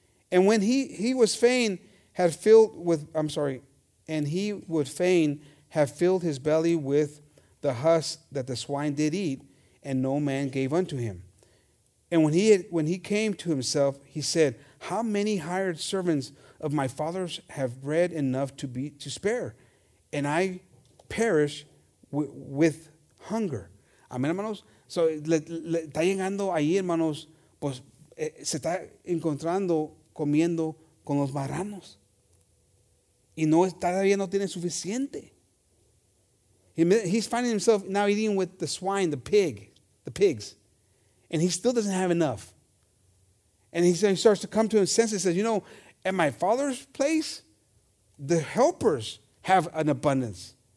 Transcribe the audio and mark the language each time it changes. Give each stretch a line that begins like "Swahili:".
English: And when he would fain have filled his belly with the husk that the swine did eat, and no man gave unto him. And when he came to himself, he said, how many hired servants of my father's have bread enough to spare, and I perish with hunger.
Spanish: Amén, hermanos. So le está llegando ahí, hermanos, pues se está encontrando comiendo con los marranos. Y no está, todavía no tiene suficiente.
English: He's finding himself now eating with the swine, the pigs. And he still doesn't have enough. And he starts to come to his senses and says, you know, at my father's place, the helpers have an abundance.